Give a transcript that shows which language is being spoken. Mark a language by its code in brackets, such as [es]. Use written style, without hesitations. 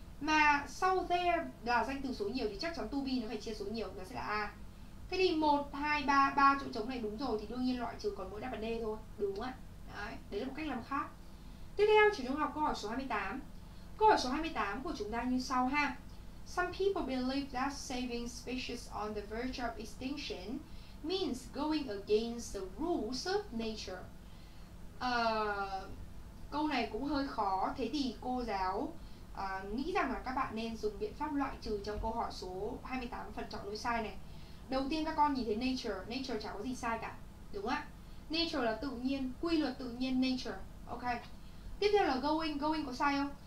[vi] Mà sau there là danh từ số nhiều thì chắc chắn to be nó phải chia số nhiều, nó sẽ là A. Thế thì 1, 2, 3, 3 chỗ trống này đúng rồi thì đương nhiên loại trừ còn mỗi đáp án D thôi, đúng không ạ? Đấy, đấy là một cách làm khác. Tiếp theo, chuyển sang học câu hỏi số 28. Câu hỏi số 28 của chúng ta như sau ha. [en] Some people believe that saving species on the verge of extinction means going against the rules of nature. [vi] Câu này cũng hơi khó, thế thì cô giáo nghĩ rằng là các bạn nên dùng biện pháp loại trừ trong câu hỏi số 28 phần chọn lỗi sai này. Đầu tiên các con nhìn thấy nature, nature chẳng có gì sai cả, đúng không ạ? Nature là tự nhiên, quy luật tự nhiên, nature. Ok. Tiếp theo là going, going có sai không?